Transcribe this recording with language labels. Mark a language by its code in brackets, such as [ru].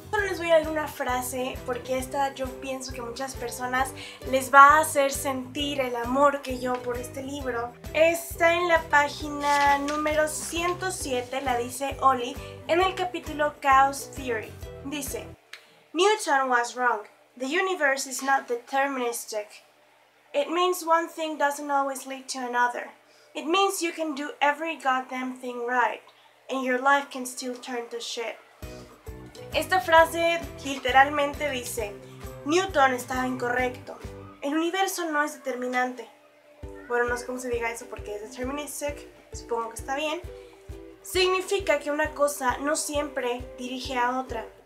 [es] Solo les voy a leer una frase, porque esta yo pienso que muchas personas les va a hacer sentir el amor que yo por este libro. Está en la página número 107, la dice Ollie, en el capítulo Chaos Theory. Dice: [en] Newton was wrong. The universe is not deterministic. It means one thing doesn't always lead to another. It means you can do every goddamn thing right. And your life can still turn to shit. [es] Esta frase literalmente dice: Newton estaba incorrecto. El universo no es determinante. Bueno, no sé cómo se diga eso porque es deterministic. Supongo que está bien. Significa que una cosa no siempre dirige a otra.